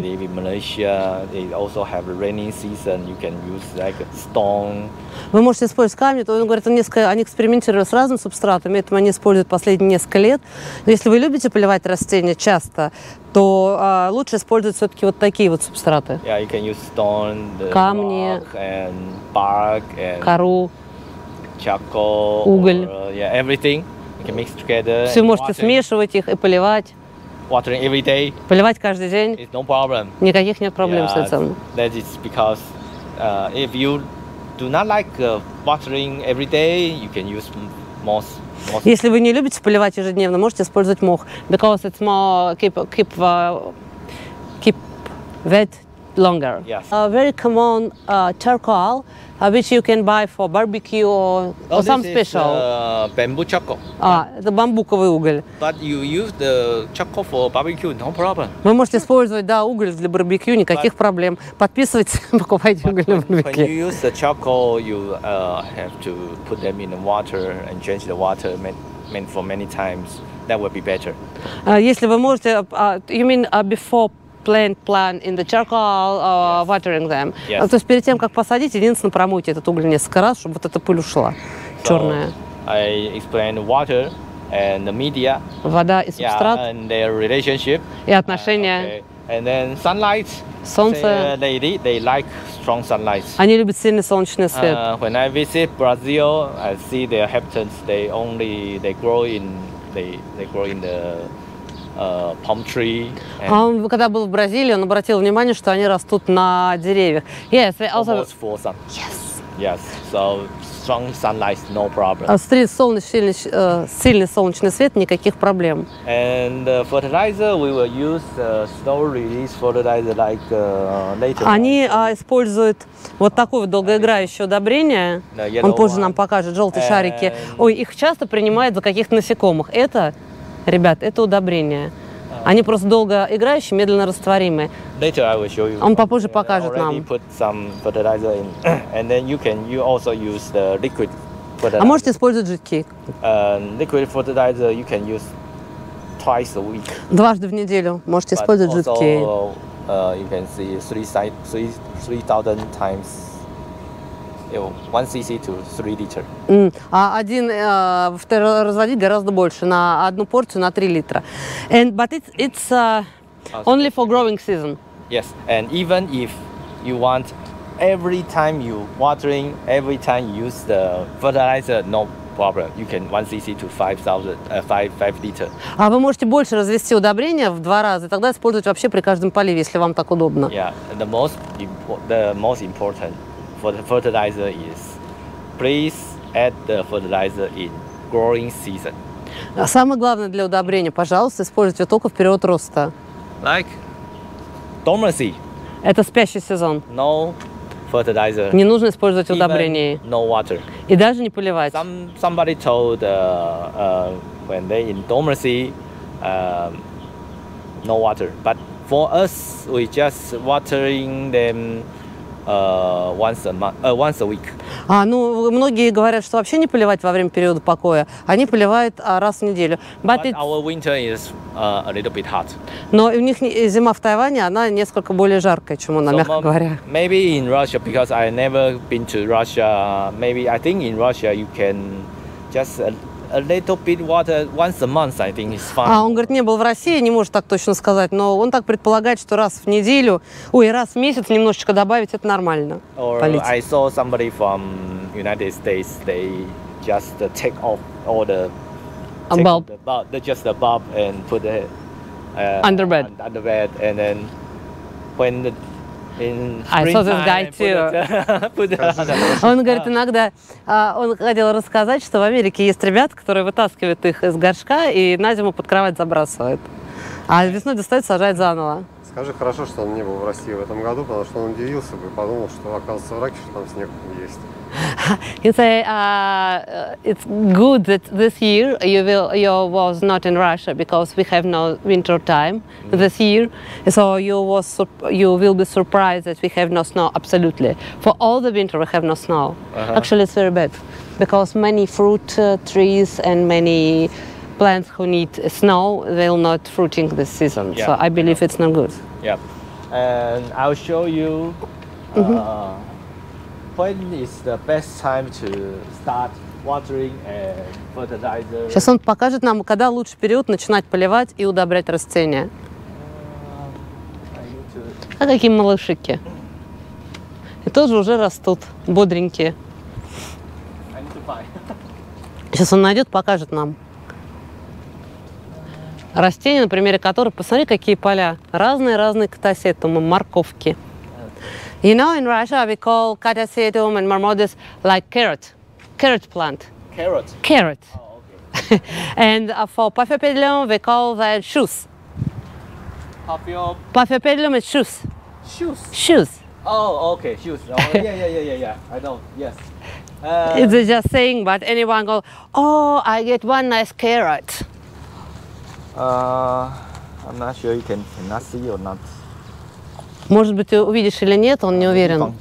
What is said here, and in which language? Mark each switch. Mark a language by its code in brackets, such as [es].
[en] they live in Malaysia, they also have rainy season, you can use like stone. [ru] Вы можете использовать камни, то он говорит, они экспериментировали с разными субстратами, это они используют последние несколько лет. Но если вы любите поливать растения часто, то лучше использовать все-таки вот такие вот субстраты. [en] Yeah, you can use stone, [ru] камни, [en] and bark, and [ru] кору. [en] Charcoal, [ru] уголь, [en] or, yeah, everything. You can mix together. [ru] Все можете смешивать их и поливать. [en] Watering every day. [ru] Поливать каждый день. [en] It's no problem. [ru] Никаких нет проблем yeah, с этим. [en] That is because if you do not like watering every day, you can use moss. [ru] Если вы не любите поливать ежедневно, можете использовать мох. [en] Because it's more keep wet longer. Yes. Very common charcoal. Which you can buy for barbecue or oh, some special. This is bamboo charcoal. [ru] The бамбуковый уголь. [en] But you use the charcoal for barbecue, no problem. [ru] Вы можете использовать да уголь для барбекю, никаких проблем. Подписывайтесь, покупайте уголь для барбекю. [en] When you use the charcoal, you have to put them in the water and change the water meant for many times. That would be better. [ru] Если вы можете, [en] you mean before. Plan in the charcoal yes. watering them. Yes. [ru] То есть перед тем, как посадить, единственное, промойте этот уголь несколько раз, чтобы вот эта пыль ушла, [en] so, [ru] черная. [en] I explain water and the media. [ru] Вода и субстрат. [en] Yeah, and their relationship. [ru] И отношения. [en] Okay. And then sunlight. [ru] Солнце. [en] They like strong sunlight. [ru] Они любят сильный солнечный свет. [en] When I visit Brazil, I see their habitants. They grow in the palm tree. [ru] А он когда был в Бразилии, он обратил внимание, что они растут на деревьях. [en] Yes, they also. Almost full sun. Yes. Yes. So strong sunlight, no problem. [ru] Сильный солнечный свет, никаких проблем. [en] And fertilizer, we will use slow release fertilizer like later. [ru] Они используют вот такое вот долгоиграющее удобрение. Он позже нам покажет желтые шарики. Ой, их часто принимают за каких-то насекомых. Это, ребят, это удобрение. Они просто долго играющие, медленно растворимые. [en] Later I will show you. [ru] Он попозже покажет нам. [en] Put some fertilizer in, and then you also use the liquid fertilizer. [ru] А можете использовать жидкий? [en] Liquid fertilizer you can use twice a week. [ru] Дважды в неделю можете использовать жидкий. [en] But also, you can see 3,000 times. 1 cc to 3 liter. [ru] А один разводить гораздо больше, на одну порцию на 3 литра. [en] And but it's only for growing season. Yes, and even if you want every time you watering, every time you use the fertilizer, no problem. You can 1 cc to 5 liter. [ru] А вы можете больше развести удобрения в два раза, тогда использовать вообще при каждом поливе, если вам так удобно. [en] Yeah, the most important for the fertilizer is please add the fertilizer in growing season. [ru] Самое главное для удобрения, пожалуйста, используйте только в период роста. [en] Like dormancy. [ru] Это спящий сезон. [en] No fertilizer. [ru] Не нужно использовать удобрения. [en] Even no water. [ru] И даже не поливать. [en] Somebody told when they in dormancy no water. But for us we just watering them once a week. [ru] Многие говорят, что вообще не поливать во время периода покоя. Они поливают раз в неделю. [en] But our winter is a little bit hot. [ru] Но у них зима в Тайване, она несколько более жаркая, чем у нас, мягко говоря. [en] Maybe in Russia, because I never been to Russia. Maybe I think in Russia you can just a little bit water once a month. I think it's fine. [ru] Он говорит, не был в России, не может так точно сказать, но он так предполагает, что раз в неделю, раз в месяц немножечко добавить, это нормально. [en] Or [ru] полить. [en] I saw somebody from United States. They just take off all the bulb. Just the bulb and put the underbed. Underbed and then when the I saw this guy too. [ru] Он говорит, иногда он хотел рассказать, что в Америке есть ребята, которые вытаскивают их из горшка и на зиму под кровать забрасывают. А весной достают, сажают заново. Скажи, хорошо, что он не был в России в этом году, потому что он удивился бы и подумал, что оказывается в Раке, что там снег есть. [en] You say it's good that this year you was not in Russia because we have no winter time this year, so you will be surprised that we have no snow absolutely. For all the winter we have no snow. Uh-huh. Actually, it's very bad because many fruit trees and many plants who need snow will not fruiting this season. Yeah. So I believe it's not good. Yep. And I'll show you when is the best time to start watering and fertilizer. [ru] Сейчас он покажет нам, когда лучший период начинать поливать и удобрять растения. А какие малышики. И тоже уже растут, бодренькие. [en] I need to buy. [ru] Сейчас он найдет, покажет нам. Растения, на примере которых, посмотри, какие поля. Разные катасетумы, морковки. [en] You know, in Russia we call катасетум and marmodis like carrot. Carrot plant. Carrot? Carrot. Oh, okay. And for paphiopedilum we call that shoes. Paphiopedilum is shoes. Shoes? Shoes. Oh, okay, shoes. Yeah. I know, yes. It's just saying, but anyone goes, I get one nice carrot. I'm not sure you cannot see or not. [ru] Может быть, увидишь или нет, он не уверен.